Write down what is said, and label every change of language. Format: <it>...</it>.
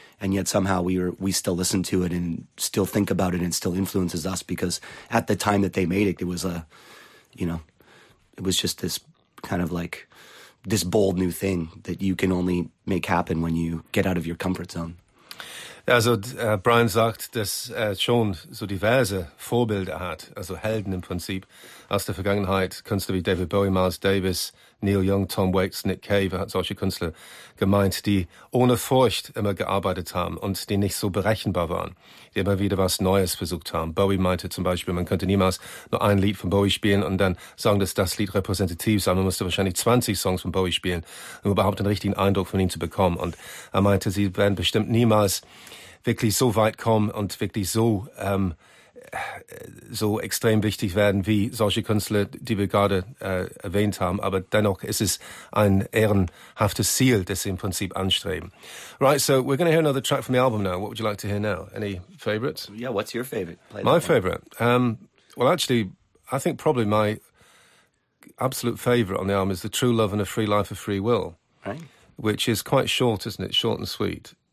<en>and yet somehow we still listen to it and still think about it and still influences us, because at the time that they made it, it was just this kind of like, this bold new thing that you can only make happen when you get out of your comfort zone.</en> <de>Also Brian sagt, dass er schon so diverse Vorbilder hat, also Helden im Prinzip aus der Vergangenheit, Künstler wie David Bowie, Miles Davis, Neil Young, Tom Waits, Nick Cave, hat solche Künstler gemeint, die ohne Furcht immer gearbeitet haben und die nicht so berechenbar waren, die immer wieder was Neues versucht haben. Bowie meinte zum Beispiel, man könnte niemals nur ein Lied von Bowie spielen und dann sagen, dass das Lied repräsentativ sei. Man müsste wahrscheinlich 20 Songs von Bowie spielen, um überhaupt den richtigen Eindruck von ihm zu bekommen. Und er meinte, sie werden bestimmt niemals wirklich so weit kommen und wirklich so so extrem wichtig werden wie solche Künstler, die wir gerade erwähnt haben. Aber dennoch ist es ein ehrenhaftes Ziel, das sie im Prinzip anstreben.</de> <en>Right, so we're going to hear another track from the album now. What would you like to hear now? Any favorites? Yeah, what's your favorite? My favorite? Well, actually, I think probably my absolute favorite on the album is The True Love and a Free Life of Free Will, right? Which is quite short, isn't it? Short and sweet.</en>